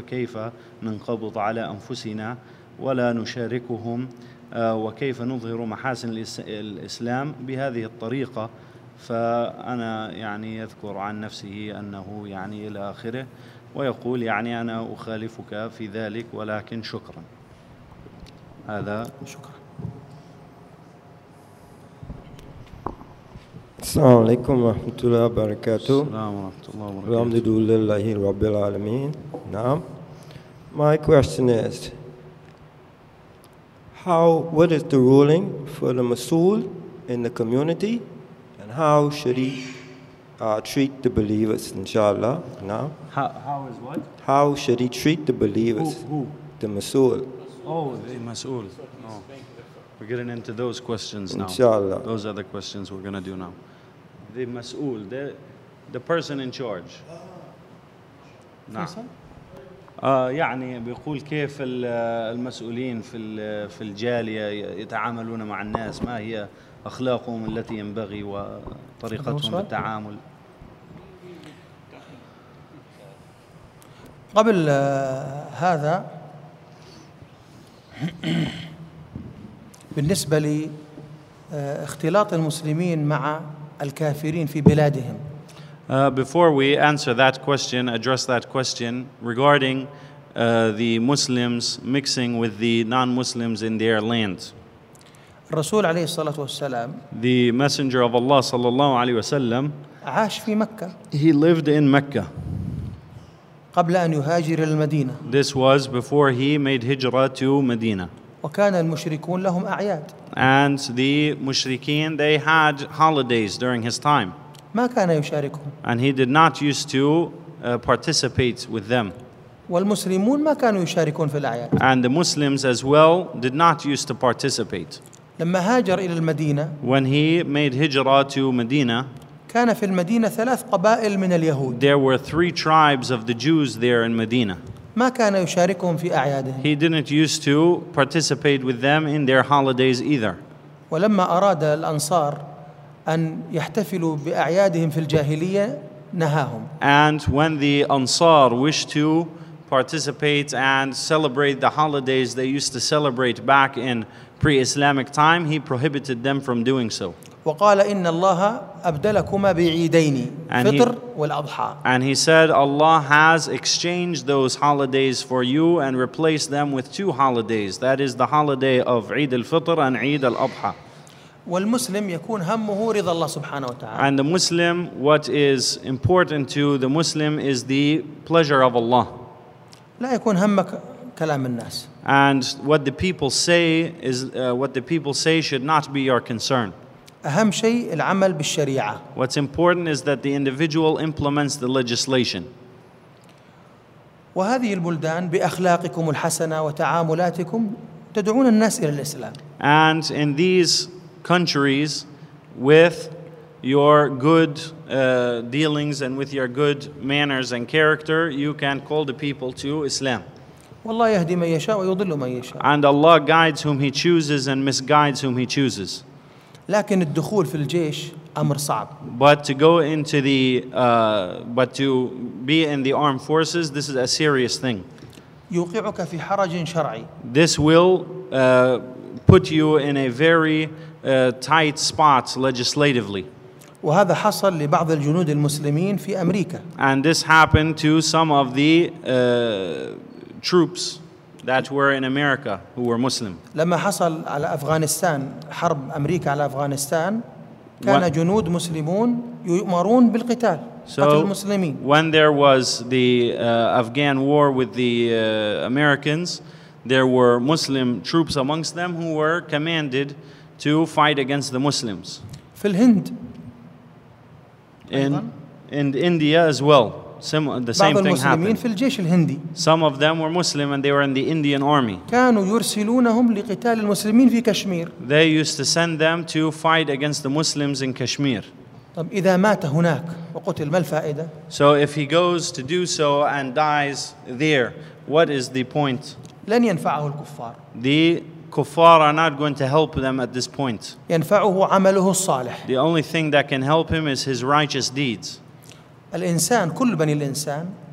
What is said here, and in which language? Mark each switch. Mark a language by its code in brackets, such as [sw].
[ar] كيف ننقبض على أنفسنا ولا نشاركهم وكيف نظهر محاسن الإسلام بهذه الطريقة؟ فأنا يعني يذكر عن نفسه أنه يعني إلى آخره ويقول يعني أنا أخالفك في ذلك ولكن شكرا. هذا شكرا. السلام عليكم ورحمة الله وبركاته. السلام ورحمة الله وبركاته. الحمد لله رب العالمين. نعم. [en] My question is what is the ruling for the masul in the community? How should he treat the believers, inshallah, now? How is what? How should he treat the believers? Who? The Mas'ul. Oh, the Mas'ul. No. We're getting into those questions now. Inshallah. Those are the questions we're going to do now. The Mas'ul, the person in charge. Nah. [ar] يعني بيقول كيف المسؤولين في الجالية يتعاملون مع الناس، ما هي أخلاقهم التي ينبغي وطريقتهم بالتعامل. قبل هذا، بالنسبة لاختلاط المسلمين مع الكافرين في بلادهم، [en] Before we answer that question, address that question regarding the Muslims mixing with the non-Muslims in their land. [ar] الرسول عليه الصلاة والسلام, [en] the Messenger of Allah [ar] صلى الله عليه وسلم, عاش في مكة. [en] He lived in Mecca. [ar] قبل أن يهاجر إلى المدينة. [en] This was before he made hijrah to Medina. [ar] وكان المشركون لهم أعياد. [en] And the mushrikeen, they had holidays during his time. [ar] ما كان يشاركهم. [en] And he did not used to participate with them. [ar] والمسلمون ما كانوا يشاركون في الأعياد. [en] And the Muslims as well did not used to participate. [ar] لما هاجر إلى المدينة. [en] When he made hijra to Medina. [ar] كان في المدينة ثلاث قبائل من اليهود. [en] There were three tribes of the Jews there in Medina. [ar] ما كان يشاركهم في أعيادهم. [en] He didn't used to participate with them in their holidays either. [ar] ولما أراد الأنصار أن يحتفلوا بأعيادهم في الجاهلية نهاهم. [en] And when the Ansar wished to participate and celebrate the holidays they used to celebrate back in pre-Islamic time, he prohibited them from doing so. [ar] وقال إن الله أبدلكما بعيدين فطر والأضحى. [en] And he said, Allah has exchanged those holidays for you and replaced them with two holidays. That is the holiday of Eid al-Fitr and Eid al-Adha. [ar] والمسلم يكون همه رضا الله سبحانه وتعالى. [en] And the Muslim, what is important to the Muslim is the pleasure of Allah. [ar] لا يكون همك كلام الناس. [en] And what the people say is what the people say should not be your concern. [ar] أهم شيء العمل بالشريعة. [en] What's important is that the individual implements the legislation. [ar] وهذه البلدان بأخلاقكم الحسنة وتعاملاتكم تدعون الناس إلى الإسلام. [en] And in these countries, with your good dealings and with your good manners and character, you can call the people to Islam. [ar] والله يهدي من يشاء ويضل من يشاء. [en] And Allah guides whom He chooses and misguides whom He chooses. [ar] لكن الدخول في الجيش أمر صعب. [en] But to go into the but to be in the armed forces, this is a serious thing. [ar] يوقعك في حرج شرعي. [en] This will put you in a very tight spots legislatively. [ar] وهذا حصل لبعض الجنود المسلمين في أمريكا. [en] And this happened to some of the troops that were in America who were Muslim. [ar] لما حصل على أفغانستان حرب أمريكا على أفغانستان كان جنود مسلمون يؤمرون بالقتال قتل المسلمين. [en] So when there was the Afghan war with the Americans, there were Muslim troops amongst them who were commanded to fight against the Muslims. [ar] في الهند. [en] In India as well. The same thing happened. [ar] في الجيش الهندي. [en] Some of them were Muslim and they were in the Indian army. [ar] كانوا يرسلونهم لقتال المسلمين في كشمير. [en] They used to send them to fight against the Muslims in Kashmir. [ar] طب إذا مات هناك وقتل ما الفائدة؟ [en] So if he goes to do so and dies there, what is the point? [ar] لن ينفعه الكفار. [en] The Kuffar are not going to help them at this point. [ar] ينفعه عمله الصالح. [en] The only thing that can help him is his righteous deeds. [ar] الإنسان كل بني الإنسان.